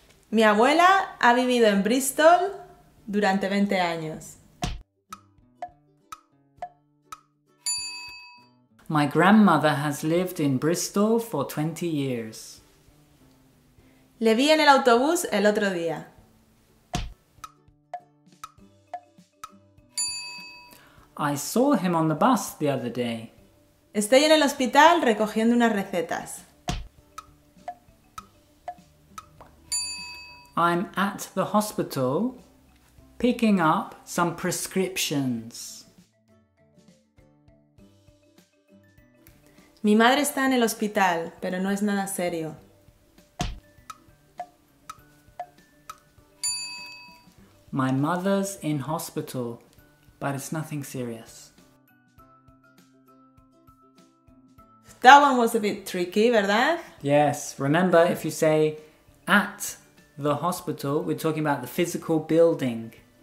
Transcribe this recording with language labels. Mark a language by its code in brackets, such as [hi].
[es] Mi abuela ha vivido en Bristol durante 20 años. [en] My grandmother has lived in Bristol for 20 years. [es] Le vi en el autobús el otro día. [en] I saw him on the bus the other day. [es] Estoy en el hospital recogiendo unas recetas. [en] I'm at the hospital picking up some prescriptions. [es] Mi madre está en el hospital, pero no es nada serio. [en] My mother's in hospital, but it's nothing serious. That one was a bit tricky, [es] ¿verdad? [en] Yes. Remember, if you say at the hospital, we're talking about the physical building.